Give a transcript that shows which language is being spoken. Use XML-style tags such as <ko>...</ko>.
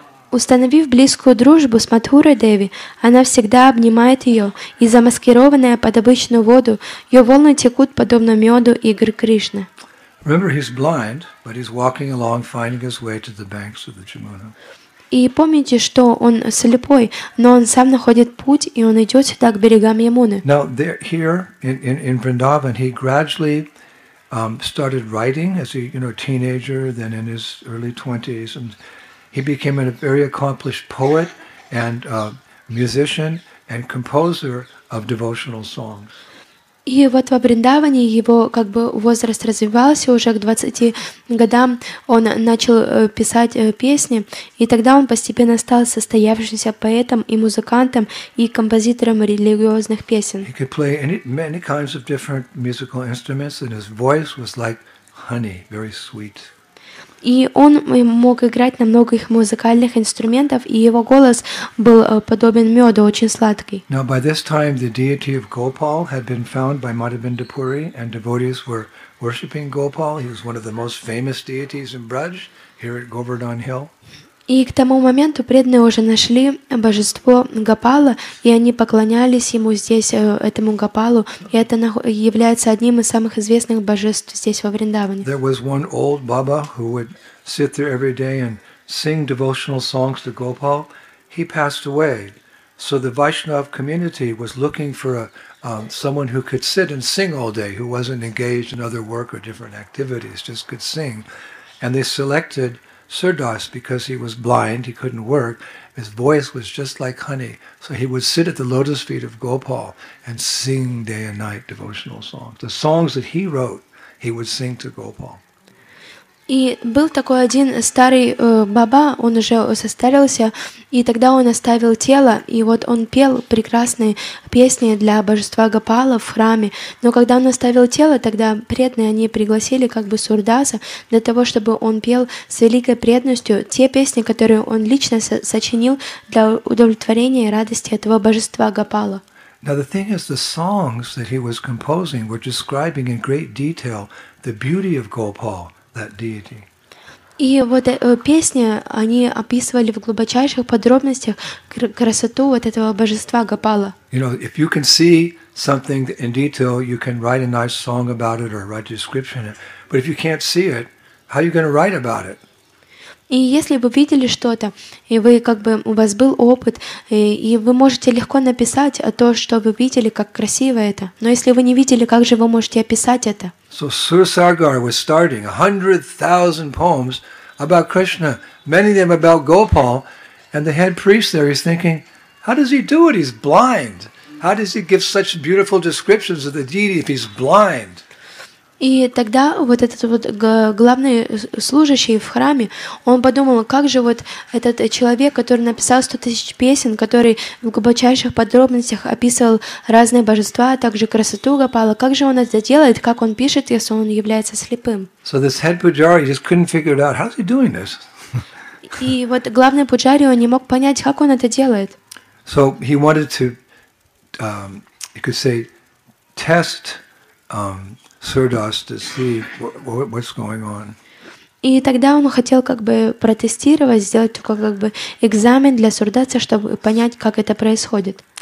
<ru>Установив близкую дружбу с Матхурой Деви, она всегда обнимает ее, и замаскированная под обычную воду, ее волны текут подобно меду игр Кришны.</ru> <en>Remember, he's blind, but he's walking along, finding his way to the banks of the Yamuna.</en> <ru>И помните, что он слепой, но он сам находит путь, и он идет сюда к берегам Ямуны.</ru> <en>Now, there, here in Vrindavan, he gradually started writing as a teenager, then in his early 20s, and he became a very accomplished poet and musician and composer of devotional songs.</en> <ru>И вот во Вриндаване его как бы возраст развивался, уже к 20 годам он начал писать песни, и тогда он постепенно стал состоявшимся поэтом и музыкантом и композитором религиозных песен.</ru> <en>He could play many kinds of different musical instruments, and his voice was like honey, very sweet.</en> <ru>И он мог играть на многих музыкальных инструментах, и его голос был подобен меду, очень сладкий.</ru> <en>Now, by this time, the deity of Gopal had been found by Madhavendra Puri, and devotees were worshipping Gopal. He was one of the most famous deities in Braj, here at Govardhan Hill.</en> <ru>И к тому моменту преданные уже нашли божество Гопала, и они поклонялись ему здесь, этому Гопалу, и это является одним из самых известных божеств здесь во Вриндаване.</ru> <en>There was one old Baba who would sit there every day and sing devotional songs to Gopal. He passed away, so the Vaishnav community was looking for someone who could sit and sing all day, who wasn't engaged in other work or different activities, just could sing, and they selected Sirdas, because he was blind, he couldn't work, his voice was just like honey. So he would sit at the lotus feet of Gopal and sing day and night devotional songs. The songs that he wrote, he would sing to Gopal.</en> <ru>И был такой один старый баба, он уже состарился, и тогда он оставил тело, и вот он пел прекрасные песни для божества Гопала в храме. Но когда он оставил тело, тогда преданные они пригласили как бы Сурдаса для того, чтобы он пел с великой преданностью те песни, которые он лично сочинил для удовлетворения и радости этого божества Гопала.</ru> <en>Now the thing is, the songs that he was composing were describing in great detail the beauty of Gopal. That deity.</en> <ru>И вот песни, они описывали в глубочайших подробностях красоту вот этого божества Гопала.</ru> <en>You know, if you can see something in detail, you can write a nice song about it or write a description. But if you can't see it, how are you going to write about it?</en> <ru>И если вы видели что-то, и вы как бы у вас был опыт, и вы можете легко написать то, что вы видели, как красиво это. Но если вы не видели, как же вы можете описать это?</ru> <en>So Sur Sargar was starting 100,000 poems about Krishna, many of them about Gopal, and the head priest there is thinking, how does he do it? He's blind. How does he give such beautiful descriptions of the deity if he's blind?</en> <ru>И тогда вот этот вот главный служащий в храме, он подумал, как же вот этот человек, который написал 100 тысяч песен, который в глубочайших подробностях описывал разные божества, а также красоту Гопала, как же он это делает, как он пишет, если он является слепым?</ru> <en>So this head pujari just couldn't figure it out. How's he doing this?</en> <ru>И вот главный пуджари, он не мог понять, как он это делает.</ru> <en>So he wanted to, you could say, test Сурдас to see what's going on.</en> <ru>И тогда он хотел как бы протестировать, сделать такой как бы экзамен для Сурдаса, чтобы понять, как это происходит.</ru>